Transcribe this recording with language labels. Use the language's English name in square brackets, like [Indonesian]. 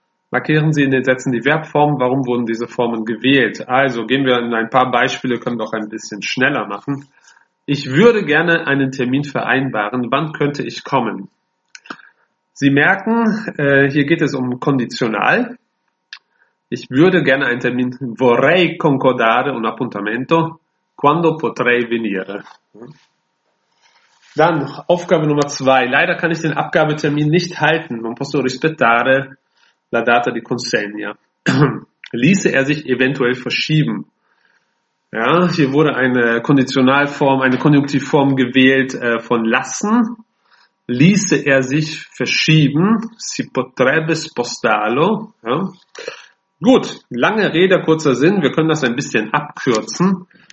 [German] Markieren Sie in den Sätzen die Verbformen. Warum wurden diese Formen gewählt? Also gehen wir in ein paar Beispiele, können doch ein bisschen schneller machen. Ich würde gerne einen Termin vereinbaren. Wann könnte ich kommen? Sie merken, hier geht es um Konditional. Ich würde gerne einen Termin. [Italian] Vorrei concordare un appuntamento. Quando potrei venire? [German] Dann Aufgabe Nummer 2. Leider kann ich den Abgabetermin nicht halten. [Italian] Non posso rispettare la data di consegna. [German] Ließe er sich eventuell verschieben? Ja, hier wurde eine Konditionalform, eine Konjunktivform gewählt von lassen. Ließe er sich verschieben? [Italian] Si potrebbe spostarlo. [German] Ja. Gut, lange Rede, kurzer Sinn. Wir können das ein bisschen abkürzen.